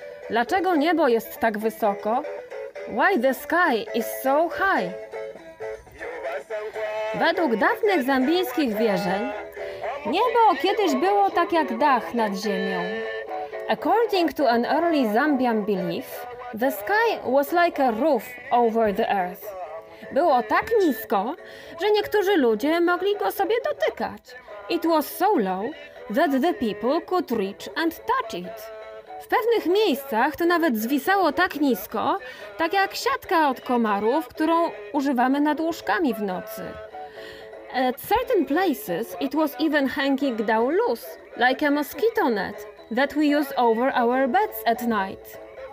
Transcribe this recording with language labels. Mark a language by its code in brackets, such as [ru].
[pl] Dlaczego niebo jest tak wysoko? [en] Why the sky is so high? [pl] Według dawnych zambijskich wierzeń, niebo kiedyś było tak jak dach nad ziemią. [en] According to an early Zambian belief, the sky was like a roof over the earth. [pl] Było tak nisko, że niektórzy ludzie mogli go sobie dotykać. [en] It was so low that the people could reach and touch it. [pl] W pewnych miejscach to nawet zwisało tak nisko, tak jak siatka od komarów, którą używamy nad łóżkami w nocy. [en] At certain places it was even hanging down loose, like a mosquito net that we use over our beds at night.